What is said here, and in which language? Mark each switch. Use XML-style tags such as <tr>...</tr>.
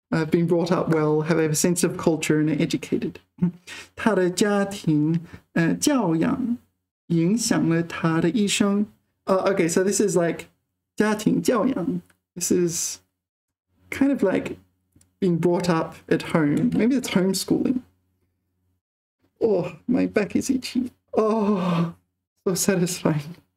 <en>Been brought up well, have a sense of culture and are educated.</en> <zh>他的家庭教养影响了他的一生.</zh> <en>Okay, so this is like 家庭教养. This is kind of like being brought up at home. Maybe it's homeschooling. Oh, my back is itching. Oh, so satisfying.</en>